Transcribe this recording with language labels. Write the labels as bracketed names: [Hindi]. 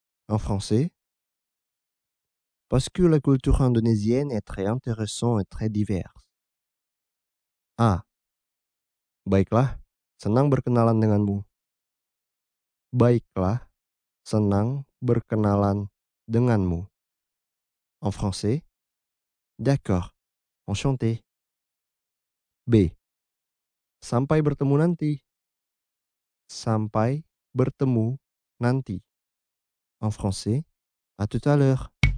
[French] En français, parce que la culture indonésienne est très intéressante et très diverse. A. [Indonesian] Baiklah, senang berkenalan denganmu. Baiklah, senang berkenalan denganmu. [French] En français, d'accord, enchanté. B. [Indonesian] Sampai bertemu nanti. Sampai bertemu nanti. [French] En français, à tout à l'heure.